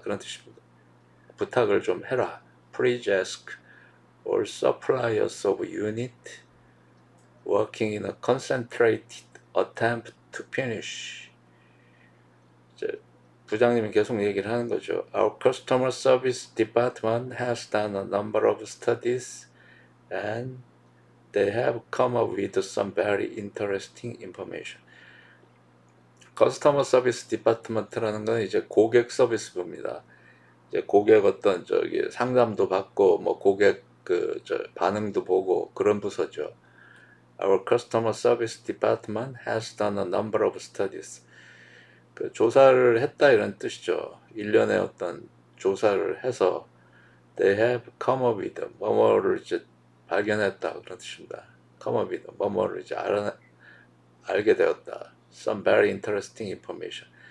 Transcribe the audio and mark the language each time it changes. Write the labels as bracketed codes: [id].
[ko] 그런 뜻입니다. 부탁을 좀 해라. [en] Please ask all suppliers of unit working in a concentrated attempt to finish. [ko] 이제 부장님이 계속 얘기를 하는 거죠. [en] Our customer service department has done a number of studies and they have come up with some very interesting information. Customer service department [ko] 라는 건 이제 고객 서비스부입니다. 이제 고객 어떤 저기 상담도 받고 뭐 고객 그 저 반응도 보고 그런 부서죠. [en] Our customer service department has done a number of studies. [ko] 그 조사를 했다 이런 뜻이죠. 일련의 어떤 조사를 해서 [en] they have come up with [ko] 뭐뭐를 이제 발견했다 그런 뜻입니다. [en] Come up with [ko] 뭐뭐를 이제 알게 되었다. [en] Some very interesting information.